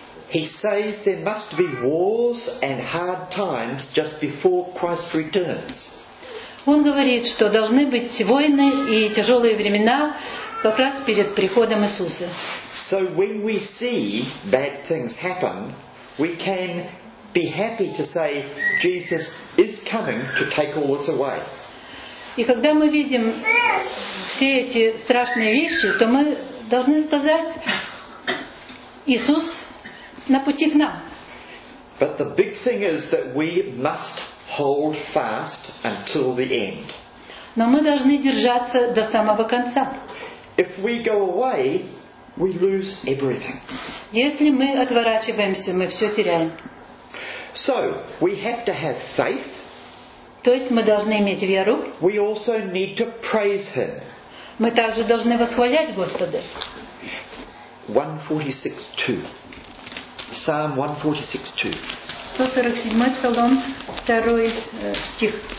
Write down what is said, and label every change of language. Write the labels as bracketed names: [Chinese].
[English] He says there must be wars and hard times just before Christ returns. [Russian] Он говорит, что должны быть войны и тяжелые времена как раз перед приходом Иисуса. [English] So when we see bad things happen, we can be happy to say Jesus is coming to take all this away. [Russian] И когда мы видим все эти страшные вещи, то мы должны сказать: Иисус на пути к нам. [English] But the big thing is that we must hold fast until the end. [Russian] Но мы должны держаться до самого конца. [English] If we go away, we lose everything. [Russian] Если мы отворачиваемся, мы все теряем. [English] So, we have to have faith. [Russian] То есть мы должны иметь веру. [English] We also need to praise him. [Russian] Мы также должны восхвалять Господа. [English] 146:2. Psalm 146:2. [Russian] 147-й псалом, 2-й стих.